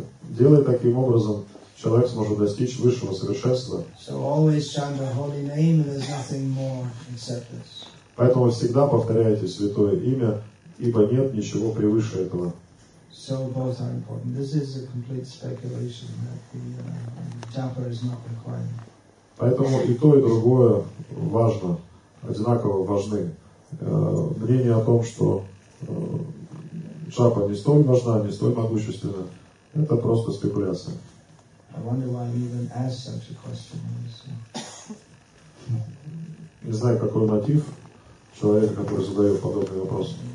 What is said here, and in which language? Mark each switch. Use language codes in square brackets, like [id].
[ru] Делая таким образом, человек сможет достичь высшего совершенства. [en] So always chant the holy name and there's nothing more except this. [ru] Поэтому всегда повторяйте святое имя, ибо нет ничего превыше этого. [en] So both are important. This is a complete speculation that the japa is not required. [ru] Поэтому и то, и другое важно, одинаково важны. Мнение о том, что джапа не столь важна, не столь могущественна, это просто спекуляция. [en] I wonder why I even asked such a question. [ru] Не знаю, какой мотив человека, который задает подобный вопрос.